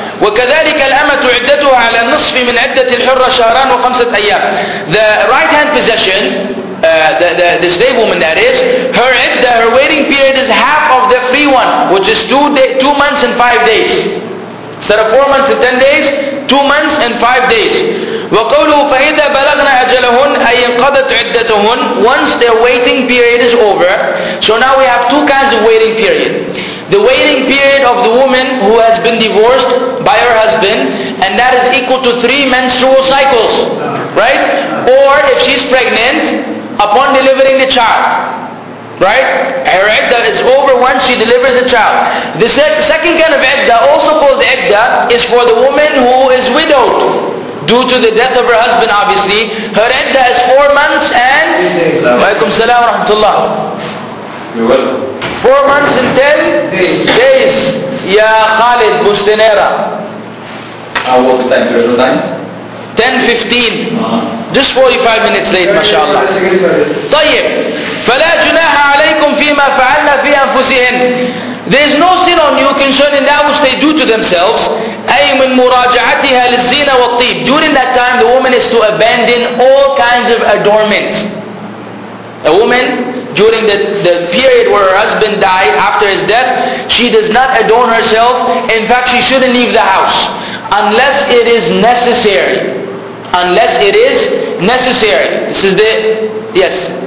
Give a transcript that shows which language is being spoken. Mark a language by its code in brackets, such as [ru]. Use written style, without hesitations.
[ar] وكذلك الأمة عدتها على النصف من عدة الحرة شهران وخمسة أيام. [en] The right hand possession, the slave woman that is, her idda, her waiting period is half of the free one, which is two months and 5 days. Instead of 4 months and 10 days, 2 months and 5 days. [ar] وقوله فإذا بلغنا أجلهن أي انقضت عدتهن. [en] Once their waiting period is over, so now we have two kinds of waiting period. The waiting period of the woman who has been divorced by her husband, and that is equal to 3 menstrual cycles, right? Or if she's pregnant, upon delivering the child. Right? Her iddah is over when she delivers the child. The second kind of iddah, also called iddah, is for the woman who is widowed. due to the death of her husband, obviously. Her iddah is 4 months and... Walaikum salam wa rahmatullah. You're welcome. 4 months and 10 days. Ya Khalid Bustanera. How was the time period of time? 10:15. Just 45 minutes late, mashallah. طيب. [ar] فلا جناح عليكم فيما فعلنا في أنفسهن. [en] There is no sin on you concerning that which they do to themselves. [ar] أي من مراجعتها للزينة والطيب. [en] During that time, the woman is to abandon all kinds of adornments. A woman, during the period where her husband died, after his death, she does not adorn herself. In fact, she shouldn't leave the house. Unless it is necessary. Unless it is necessary. This is the... Yes.